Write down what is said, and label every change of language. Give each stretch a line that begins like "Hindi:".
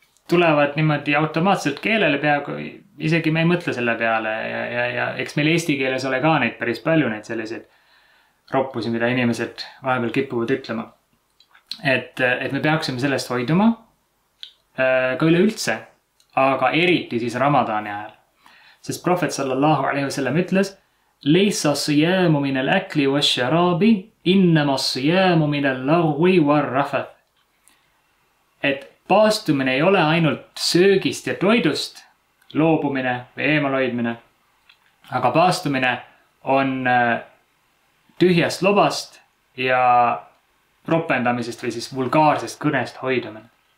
Estonian: tulevad niimoodi automaatselt keelele peaga, isegi me ei mõtle selle peale ja eks meil eesti keeles ole ka neid päris palju neid sellised roppusi, mida inimesed vahepeal kippuvad ütlema, et me peaksime sellest hoiduma ka üleüldse, aga eriti siis Ramadani ajal. Sest prohvet
Arabic: sallallahu alaihi wasallam
Estonian: ütles:
Arabic: ليس الصيام من الأكل والشراب، إنما الصيام من اللغو والرفث.
Estonian: Et paastumine ei ole ainult söögist ja toidust, loobumine või eemaloidmine, aga paastumine on tühjast lobast ja propendamisest või siis vulgaarsest kõnest hoidumine.